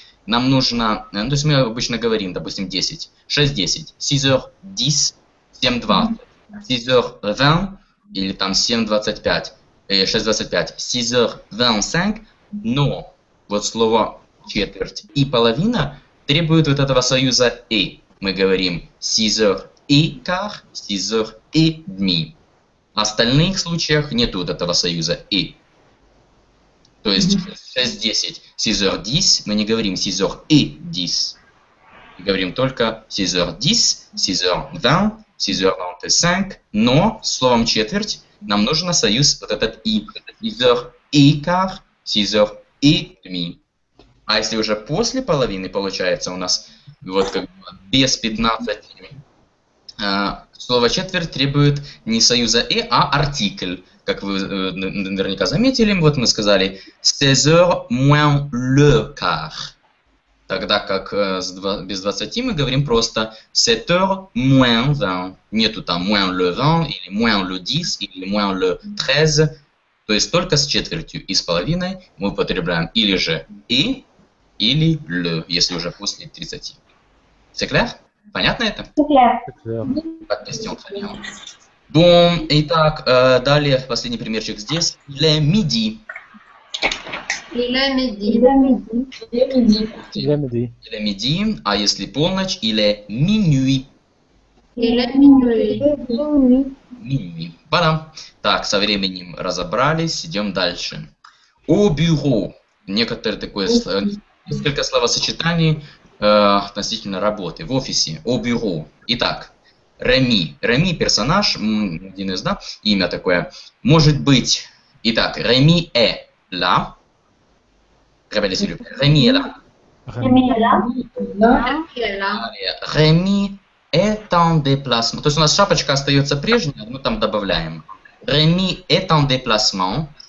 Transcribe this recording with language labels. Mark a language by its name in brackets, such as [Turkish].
[Russian] Нам нужно, то есть мы обычно говорим, допустим, 10, 6:10, [French] 6 heures 10, [Russian] 7:20, [French] 6 heures 20, [Russian] или там 7:25, 6:25, [French] 6 heures 25, [Russian] но вот слово четверть и половина требуют вот этого союза «и». Мы говорим [French] 6 heures et quart, 6 heures et demi. [Russian] В остальных случаях нет вот этого союза «и». То есть 6:10, [French] 6 heures 10, [Russian] мы не говорим [French] 6 heures et 10. [Russian] Мы говорим только [French] 6 heures 10, 6 heures 20, 6 heures 25, [Russian] но словом четверть нам нужен союз вот этот «и». [French] 6 heures et quart, 6 heures et demi. [Russian] А если уже после половины получается у нас вот как бы без 15, слово четверть требует не союза «и», а артикль. Как вы наверняка заметили, вот мы сказали [French] 16 heures moins le quart. [Russian] Тогда как без 20 мы говорим просто [French] 7 heures moins 20. [Russian] Нету там [French] moins le 20 или moins le 10 или moins le 13. [Russian] То есть только с четвертью и с половиной мы употребляем или же «и», или «le», если уже после 30. [French] C'est clair? [Russian] Понятно это? [French] C'est clair. C'est clair. Бум. [Russian] Итак, далее последний примерчик здесь. [French] Le midi. Le midi. Le midi. Le midi. Le midi. [Russian] А если полночь, или minuit. [French] Le minuit. Minuit. Бадам. [Russian] Так, со временем разобрались, идем дальше. [French] Au bureau. [Russian] Некоторые такое, несколько словосочетаний относительно работы в офисе. [French] Au bureau. Итак. Реми. [Russian] Реми – персонаж, один из, да, имя такое. Может быть, итак, Реми – э ла. [French] Реми – э ла. Реми – э ла. Реми – est en déplacement. [Russian] То есть у нас шапочка остается прежняя, мы там добавляем. [French] Реми – est en déplacement.